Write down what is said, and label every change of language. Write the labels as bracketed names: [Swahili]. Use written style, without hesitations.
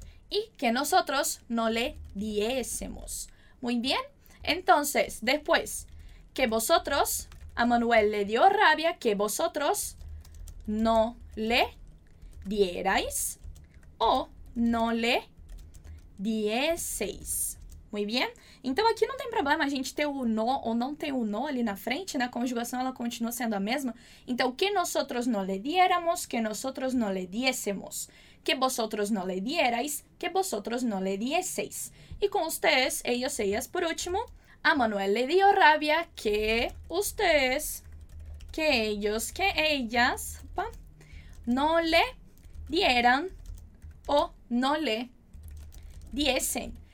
[Spanish] y que nosotros no le diésemos. Muy bien. Entonces, después, que vosotros, a Manuel le dio rabia que vosotros no le dierais o no le dieseis. Muy bien. [Portuguese] Então, aqui não tem problema a gente ter o no ou não ter o no ali na frente, né? A conjugação, ela continua sendo a mesma. [Spanish] Então, que nosotros no le diéramos, que nosotros no le diésemos. Que vosotros no le dierais, que vosotros no le dieseis. [Portuguese] E com [Spanish] ustedes, ellos, ellas, por último, a Manuel le dio rabia que ustedes, que ellos, que ellas, opa, no le dieran o no le diesen.